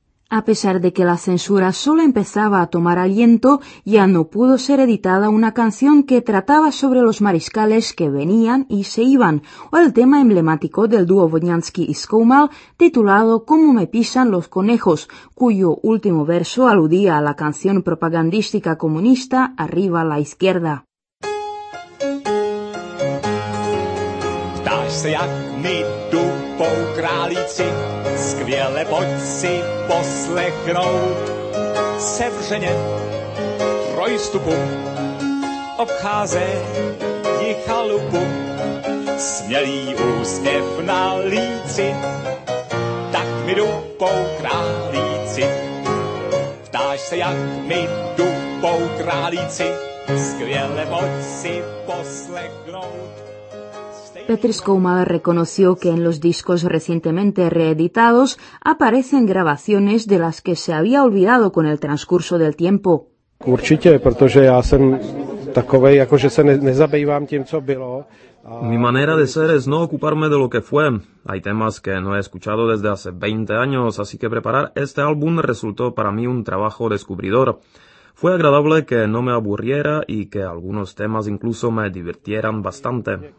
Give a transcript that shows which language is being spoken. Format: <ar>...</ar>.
<es>A pesar de que la censura solo empezaba a tomar aliento, ya no pudo ser editada una canción que trataba sobre los mariscales que venían y se iban, o el tema emblemático del dúo Vodňanský y Skoumal, titulado «Cómo me pisan los conejos», cuyo último verso aludía a la canción propagandística comunista «Arriba la izquierda».</es> <cs>Jak mi dupou králíci, skvěle pojď si poslechnout. Sevřeně trojstupu obcházejí chalupu, smělý úsměv na líci, tak mi dupou králíci. Ptáš se, jak mi dupou králíci, skvěle pojď si poslechnout.</cs> <es>Petr Skoumal reconoció que en los discos recientemente reeditados aparecen grabaciones de las que se había olvidado con el transcurso del tiempo.</es> <cs>Určitě, protože já jsem takovej, jakože se nezabývám tím, co bylo.</cs> <es>Mi manera de ser es no ocuparme de lo que fue. Hay temas que no he escuchado desde hace 20 años, así que preparar este álbum resultó para mí un trabajo descubridor. Fue agradable que no me aburriera y que algunos temas incluso me divirtieran bastante.</es>